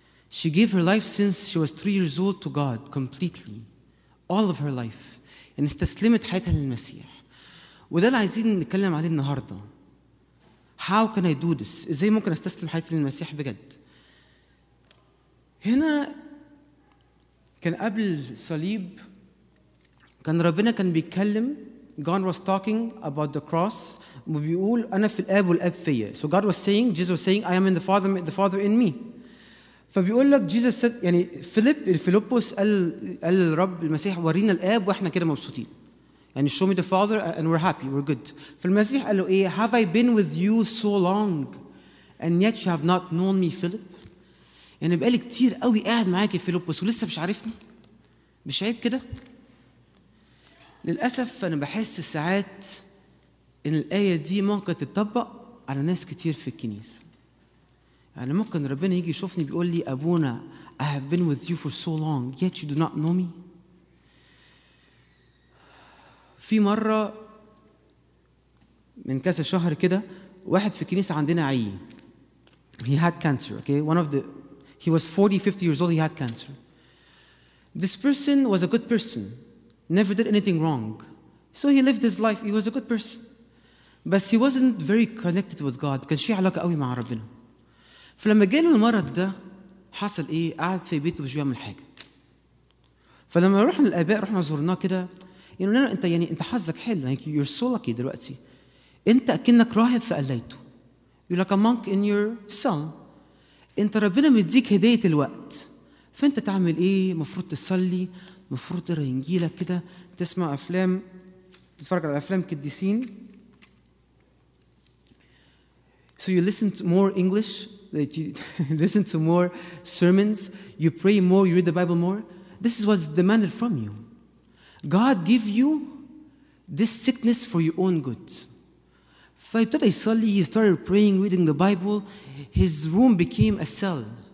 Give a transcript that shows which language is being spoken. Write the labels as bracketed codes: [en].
[en] She gave her life since she was 3 years old to God completely. All of her life. [ar] يعني استسلمت حياتها للمسيح. وده اللي عايزين نتكلم عليه النهارده. [en] How can I do this? [ar] ازاي ممكن استسلم حياتي للمسيح بجد؟ هنا كان قبل الصليب كان ربنا كان بيتكلم. [en] God was talking about the cross. [ar] وبيقول انا في الاب والاب فيا. [en] So God was saying, Jesus was saying, I am in the Father in me. [ar] فبيقول لك [en] Jesus said, [ar] يعني فيلبس قال الرب المسيح ورينا الاب واحنا كده مبسوطين. يعني [en] show me the Father and we're happy, we're good. [ar] فالمسيح قال له ايه؟ [en] Have I been with you so long and yet you have not known me, Philip? [ar] يعني بقالي كتير قوي قاعد معاك يا فيلبس ولسه مش عارفني؟ مش عيب كده؟ للأسف أنا بحس ساعات إن الآية دي ممكن تتطبق على ناس كتير في الكنيسة. يعني ممكن ربنا يجي يشوفني بيقول لي أبونا [en] I have been with you for so long yet you do not know me. [ar] في مرة من كذا شهر كده واحد في الكنيسة عندنا عي. [en] He had cancer, okay? One of the he was 40, 50 years old, he had cancer. This person was a good person, never did anything wrong. So he lived his life, he was a good person. But he wasn't very connected with God. [ar] كان في علاقة قوي مع ربنا. فلما جه له المرض ده حصل ايه؟ قعد في بيته مش بيعمل حاجة. فلما رحنا للآباء رحنا زورناه كده يعني لا انت يعني انت حظك حلو يعني [en] you're so lucky [ar] دلوقتي انت اكنك راهب في قليته. [en] You're like a monk in your cell. [ar] انت ربنا مديك هديه الوقت فانت تعمل ايه؟ مفروض تصلي، المفروض ترى يجي لك كده تسمع افلام تتفرج على افلام قديسين. [en] So you listen to more English, that you listen to more sermons, you pray more, you read the Bible more. This is what's demanded from you. God give you this sickness for your own good. [ar] فابتدى يصلي, [en] he started praying, reading the Bible. His room became a cell.